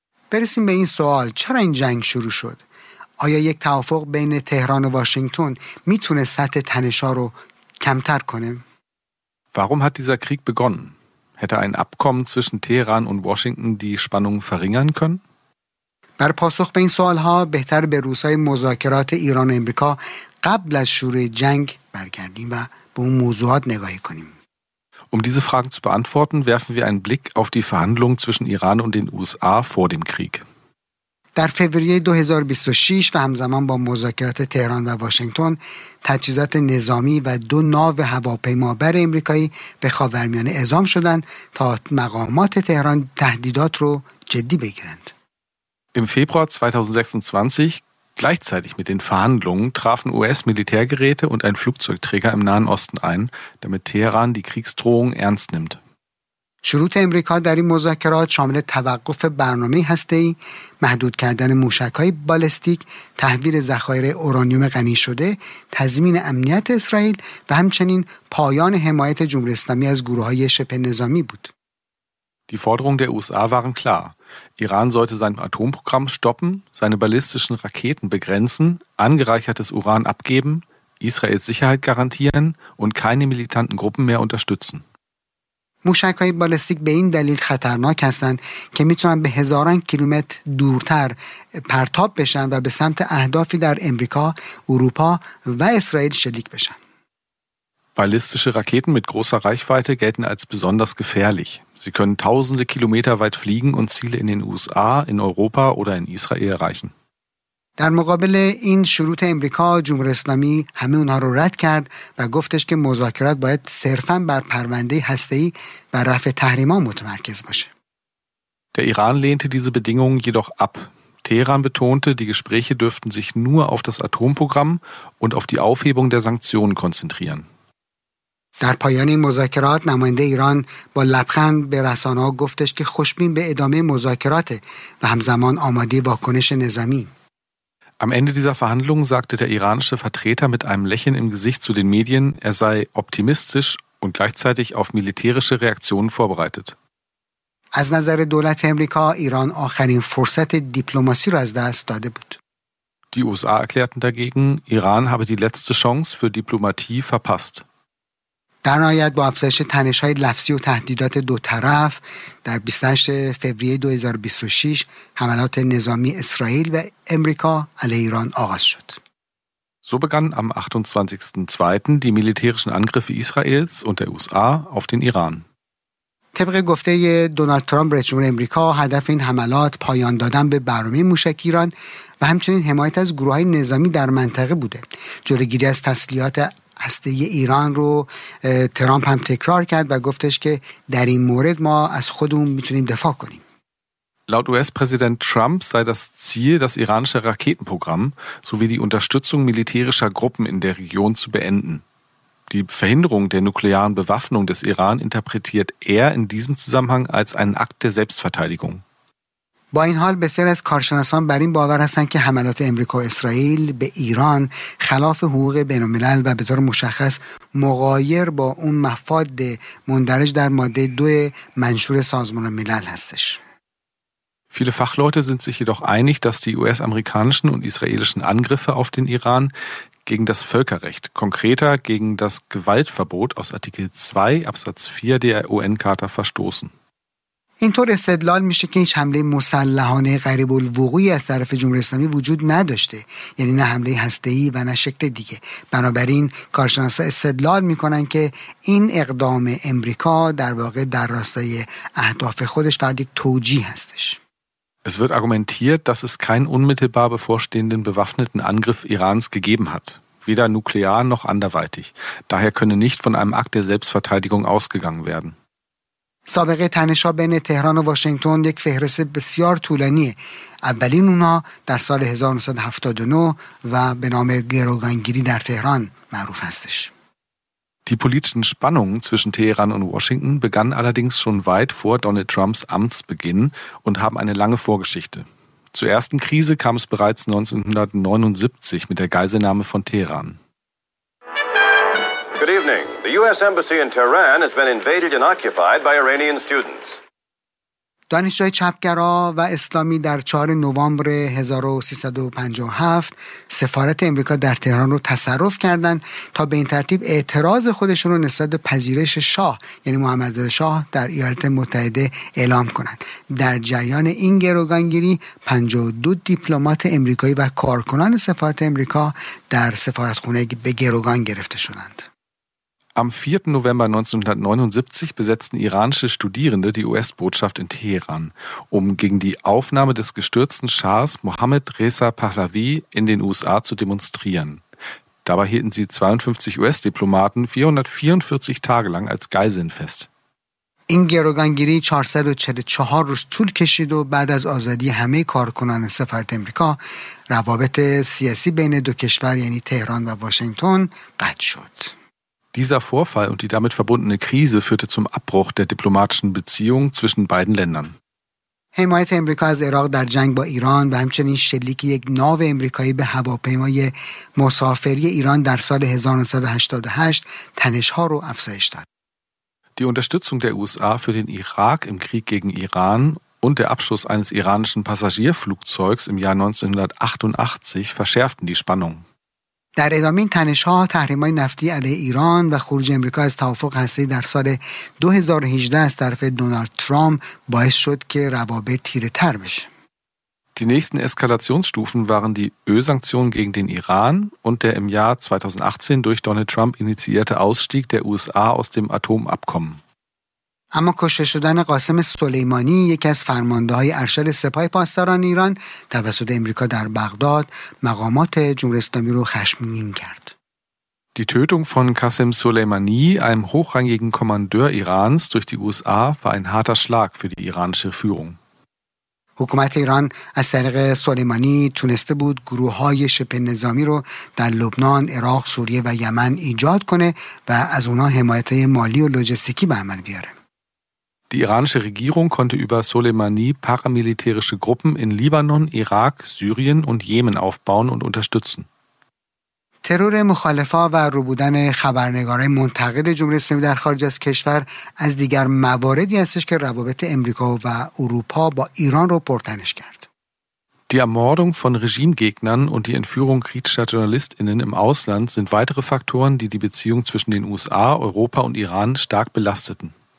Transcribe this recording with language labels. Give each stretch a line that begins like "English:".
Persian: برسیم به این سوال، چرا این جنگ شروع شد؟ آیا یک توافق بین تهران و واشنگتن میتونه سطح تنش ها رو کمتر کنه؟
German: Warum hat dieser Krieg begonnen? Hätte ein Abkommen zwischen Teheran und Washington die Spannung verringern können?
Persian: بر پاسخ به این سوال ها بهتر به روزهای مذاکرات ایران و امریکا قبل از شروع جنگ برگردیم و به اون موضوعات نگاهی کنیم.
German: Diese Fragen zu beantworten, werfen wir einen Blick auf die Verhandlungen zwischen Iran und den USA vor dem Krieg.
Persian: در فوریه 2026 و همزمان با مذاکرات تهران و واشنگتن، تجهیزات نظامی و دو ناو هواپیمابر آمریکایی به خاورمیانه اعزام شدند تا مقامات تهران تهدیدات رو جدی بگیرند.
German: Im Februar 2026, gleichzeitig mit den Verhandlungen, trafen US-Militärgeräte und ein Flugzeugträger im Nahen Osten ein, damit Teheran die Kriegsdrohung ernst nimmt.
Persian: شروط امریکا در این مذاکرات شامل توقف برنامه هسته‌ای، محدود کردن موشک‌های بالستیک، تحویل ذخایر اورانیوم غنی شده، تضمین امنیت اسرائیل و همچنین پایان حمایت جمهوری اسلامی از گروه‌های شبه نظامی بود.
German: Die Forderungen der USA waren klar. Iran sollte sein Atomprogramm stoppen, seine ballistischen Raketen begrenzen, angereichertes Uran abgeben, Israels Sicherheit garantieren und keine militanten Gruppen mehr unterstützen.
Persian: موشک‌های بالستیک به این دلیل خطرناک هستند که میتونن به هزاران کیلومتر دورتر پرتاب بشن و به سمت اهدافی در امریکا، اروپا و اسرائیل شلیک بشن.
German: Ballistische Raketen mit großer Reichweite gelten als besonders gefährlich. Sie können tausende Kilometer weit fliegen und Ziele in den USA, in Europa oder in Israel erreichen.
Persian: در مقابل این شروط امریکا، جمهوری اسلامی همه اونها رو رد کرد و گفتش که مذاکرات باید صرفاً بر پرونده هسته‌ای و رفع تحریم‌ها متمرکز باشه.
German: Der Iran lehnte diese Bedingungen jedoch ab. Teheran betonte, die Gespräche dürften sich nur auf das Atomprogramm und auf die Aufhebung der Sanktionen konzentrieren.
Persian: در پایان مذاکرات نماینده ایران با لبخند به رسانه‌ها گفتش که خوشبین به ادامه مذاکرات و همزمان آماده واکنش نظامی.
German: Am Ende dieser Verhandlungen sagte der iranische Vertreter mit einem Lächeln im Gesicht zu den Medien, er sei optimistisch und gleichzeitig auf militärische Reaktionen vorbereitet.
Persian: از نظر دولت امریکا ایران آخرین فرصت دیپلماسی را از دست داده بود.
German: Die USA erklärten dagegen, Iran habe die letzte Chance für Diplomatie verpasst.
Persian: در نهایت با افزایش تنش‌های لفظی و تهدیدات دو طرف در 28 فوریه 2026 حملات نظامی اسرائیل و امریکا علیه ایران آغاز شد.
German: So begann am 28.2. die militärischen Angriffe Israels und der USA auf den Iran.
Persian: طبق گفته دونالد ترامپ رئیس جمهور امریکا هدف این حملات پایان دادن به برنامه موشک ایران و همچنین حمایت از گروه‌های نظامی در منطقه بوده. جلوگیری از تسلیحات هسته ایران رو ترامپ هم تکرار کرد و گفتش که در این مورد ما از خودمون میتونیم دفاع کنیم.
German: Laut US-Präsident Trump sei das Ziel, das iranische Raketenprogramm sowie die Unterstützung militärischer Gruppen in der Region zu beenden. Die Verhinderung der nuklearen Bewaffnung des Iran interpretiert in diesem Zusammenhang als einen Akt der Selbstverteidigung.
Persian: با این حال بسیار از کارشناسان بر این باور هستند که حملات امریکا و اسرائیل به ایران خلاف حقوق بین‌الملل و به طور مشخص مغایر با اون مفاد مندرج در ماده 2 منشور سازمان ملل هستش.
German: Viele Fachleute sind sich jedoch einig, dass die US-amerikanischen und israelischen Angriffe auf den Iran gegen das Völkerrecht, konkreter gegen das Gewaltverbot aus Artikel 2 Absatz 4 der UN-Charta verstoßen.
Persian: اینطور استدلال میشه که هیچ حمله مسلحانه قریب الوقوعی از طرف جمهوری اسلامی وجود نداشته، یعنی نه حمله هسته‌ای و نه شکل دیگه. بنابراین کارشناسا استدلال میکنن که این اقدام امریکا در واقع در راستای اهداف خودش فقط یک توجیه هستش.
German: Es wird argumentiert, dass es keinen unmittelbar bevorstehenden bewaffneten Angriff Irans gegeben hat, weder nuklear noch anderweitig. Daher könne nicht von einem Akt der Selbstverteidigung ausgegangen werden.
Persian: سابقه تنش‌ها بین تهران و واشنگتن یک فهرست بسیار طولانیه. اولین اونا در سال 1979 و به نام گروگانگیری در تهران معروف هستش.
German: Die politischen Spannungen zwischen Teheran und Washington begannen allerdings schon weit vor Donald Trumps Amtsbeginn und haben eine lange Vorgeschichte. Zur ersten Krise kam es bereits 1979 mit der Geiselnahme von Teheran.
English: Good evening. The U.S. Embassy in Tehran has been invaded and occupied by Iranian students.
Persian: دانشجوی چپگرا و اسلامی در 4 نوامبر 1357 سفارت امریکا در تهران رو تصرف کردند تا به این ترتیب اعتراض خودشون رو نسبت به پذیرش شاه یعنی محمد رضا شاه در ایالات متحده اعلام کنند. در جریان این گروگانگیری 52 دیپلمات امریکایی و کارکنان سفارت امریکا در سفارتخانه به گروگان گرفته شدند.
German: Am 4. November 1979 besetzten iranische Studierende die US-Botschaft in Teheran, um gegen die Aufnahme des gestürzten Schahs Mohammad Reza Pahlavi in den USA zu demonstrieren. Dabei hielten sie 52 US-Diplomaten 444 Tage lang als Geiseln fest.
Persian: این گروگانگیری 444 روز طول کشید و بعد از آزادی همه کارکنان سفارت امریکا روابط سیاسی بین دو کشور یعنی تهران و واشنگتن قطع شد.
German: Dieser Vorfall und die damit verbundene Krise führte zum Abbruch der diplomatischen Beziehungen zwischen beiden Ländern.
Persian: حمایت امریکا از عراق در جنگ با ایران و همچنین شلیک یک ناو امریکایی به هواپیمای مسافری ایران در سال 1988 تنش‌ها رو افزایش داد.
German: Die Unterstützung der USA für den Irak im Krieg gegen Iran und der Abschuss eines iranischen Passagierflugzeugs im Jahr 1988 verschärften die Spannung.
Persian: در ادامه این تنش‌ها تحریم‌های نفتی علیه ایران و خروج امریکا از توافق هسته‌ای در سال 2018 از طرف دونالد ترامپ باعث شد که روابط تیره‌تر بشه.
German: Die nächsten Eskalationsstufen waren die Ölsanktionen gegen den Iran und der im Jahr 2018 durch Donald Trump initiierte Ausstieg der USA aus dem Atomabkommen.
Persian: اما کشته شدن قاسم سلیمانی یکی از فرمانده های ارشد سپاه پاسداران ایران توسط امریکا در بغداد مقامات جمهوری اسلامی رو خشمگین کرد.
German: Die Tötung von Qasem Soleimani, einem hochrangigen Kommandeur Irans durch die USA, war ein harter Schlag für die iranische Führung.
Persian: حکومت ایران از طریق سلیمانی تونسته بود گروه های شبه نظامی رو در لبنان، عراق، سوریه و یمن ایجاد کنه و از اونا حمایت مالی و لوجستیکی به عمل بیاره.
German: Die iranische Regierung konnte über Soleimani paramilitärische Gruppen in Libanon, Irak, Syrien und Jemen aufbauen und unterstützen.
Persian: ترور مخالفا و روبودن خبرنگاران منتقد جمهوری اسلامی در خارج از کشور از دیگر مواردی هستش که روابط امریکا و اروپا با ایران رو پرتنش کرد.
German: Die Ermordung von Regimegegnern und die Entführung kritischer JournalistInnen im Ausland sind weitere Faktoren, die die Beziehung zwischen den USA, Europa und Iran stark belasteten.